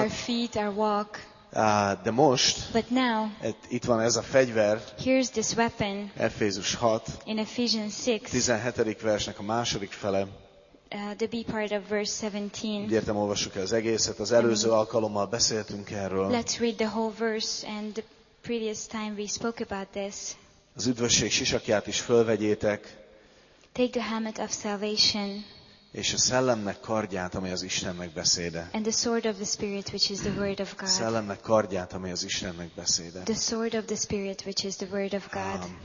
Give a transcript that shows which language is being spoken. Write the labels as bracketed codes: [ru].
[en] Our feet, our walk. [hu] De most. [en] But now. [hu] Itt van ez a fegyver. [en] Here's this weapon. [hu] Efézus 6. [en] In Ephesians 6. [hu] 17. versnek a második fele. [en] The B part of verse 17. [hu] Értem, olvassuk el az egészet. Az előző alkalommal beszéltünk erről. [en] Let's read the whole verse and the previous time we spoke about this. [hu] Az üdvösség sisakját is fölvegyétek. [en] Take the helmet of salvation. [hu] És a szellemnek kardját, ami az Istennek beszéde. [en] And the sword of the spirit, which is the word of God. [hu] Szellemnek kardját, ami az Istennek beszéde. [en] The sword of the spirit, which is the word of God.